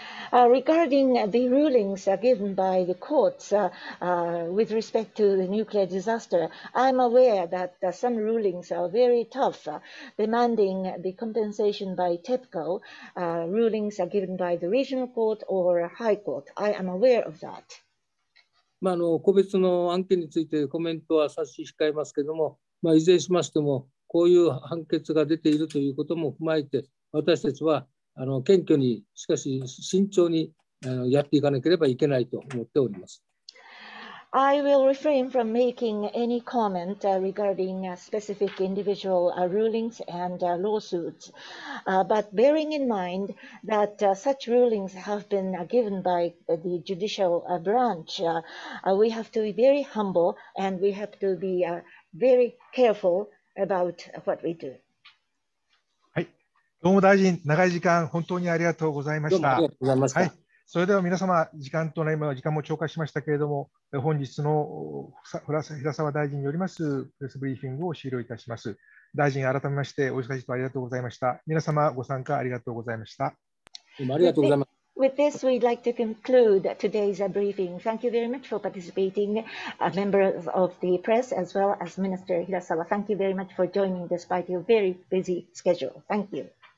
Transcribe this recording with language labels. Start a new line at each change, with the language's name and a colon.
English: Regarding the rulings given by the courts with respect to the nuclear disaster, I'm aware that some rulings are very tough, demanding the compensation by TEPCO. Rulings are given by the regional court or high court. I am aware of that.
Japanese: 個別の案件についてコメントは差し控えますけれども、いずれにしましても、こういう判決が出ているということも踏まえて、私たちは謙虚に、しかし慎重にやっていかなければいけないと思っております。
English: I will refrain from making any comment regarding specific individual rulings and lawsuits. But bearing in mind that such rulings have been given by the judicial branch, we have to be very humble and we have to be very careful about what we do.
Japanese: はい。どうも大臣、長い時間本当にありがとうございました。どうもありがとうございました。はい。それでは皆様、時間となります。時間も超過しましたけれども、本日の平沢大臣によりますプレスブリーフィングを終了いたします。大臣、改めましてお忙しいとありがとうございました。皆様、ご参加ありがとうございました。どうもありがとうございます。
English: With this, we'd like to conclude today's briefing. Thank you very much for participating, members of the press, as well as Minister Hirasawa. Thank you very much for joining despite your very busy schedule. Thank you.